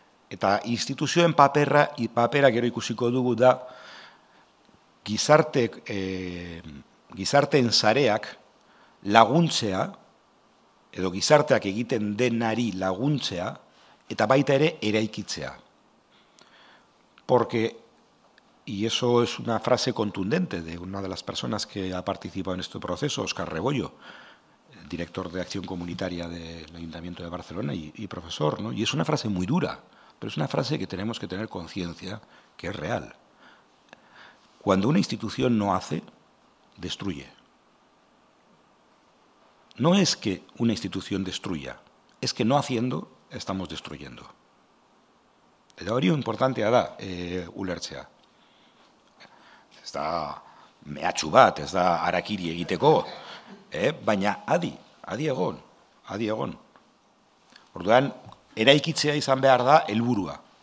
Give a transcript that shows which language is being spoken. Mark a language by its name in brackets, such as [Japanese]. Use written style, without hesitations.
[Basque] Eta instituzioen paperra, papera gero ikusiko dugu da gizarteen zareak laguntzea, edo gizarteak egiten denari laguntzea, eta baita ere eraikitzea. [Spanish] Porque, y eso es una frase contundente de una de las personas que ha participado en este proceso, Óscar Rebollo, director de Acción Comunitaria del Ayuntamiento de Barcelona y profesor, ¿no? Y es una frase muy dura, pero es una frase que tenemos que tener conciencia que es real. Cuando una institución no hace, destruye. No es que una institución destruya, es que no haciendo estamos destruyendo. [Basque] Eta hori importantea da, ulertzea. Ez da mehatxu bat, ez da harakiri egiteko, baina adi egon. Orduan, eraikitzea izan behar da helburua.